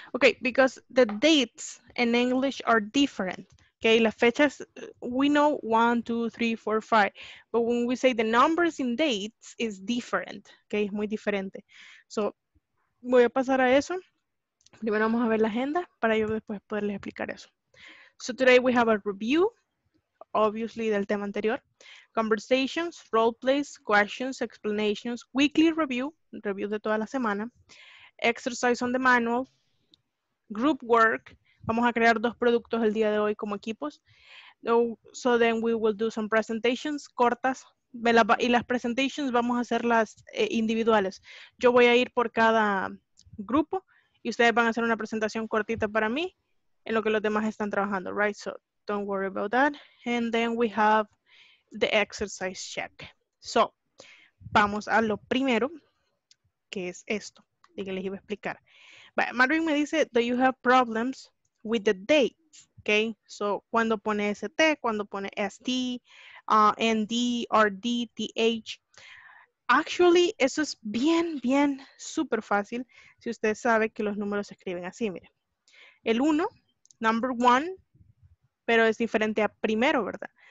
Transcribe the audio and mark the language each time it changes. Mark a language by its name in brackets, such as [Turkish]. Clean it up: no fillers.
[English] Okay, because the dates in English are different. Okay, [Spanish] las fechas, [English] we know 1, 2, 3, 4, 5. But when we say the numbers in dates, it's different. [Spanish] Okay, es muy diferente. So, voy a pasar a eso. Primero vamos a ver la agenda para yo después poderles explicar eso. [English] So, today we have a review, obviously, [Spanish] del tema anterior. [English] Conversations, role plays, questions, explanations, weekly review, review [Spanish] de toda la semana. [English] Exercise on the manual, group work. [Spanish] Vamos a crear dos productos el día de hoy como equipos. [English] So then we will do some presentations [Spanish] cortas. Y las presentations vamos a hacerlas individuales. Yo voy a ir por cada grupo y ustedes van a hacer una presentación cortita para mí en lo que los demás están trabajando, right? [English] So don't worry about that. And then we have the exercise check. [Spanish] So vamos a lo primero, que es esto, y que les iba a explicar. [English] But Marvin [Spanish] me dice, [English] do you have problems with the dates, okay? [Spanish] So, cuando pone ST, cuando pone ST, ND, RD, TH. Actually, eso es bien, bien, súper fácil si usted sabe que los números se escriben así, miren. El 1, number 1, pero es diferente a primero, ¿verdad?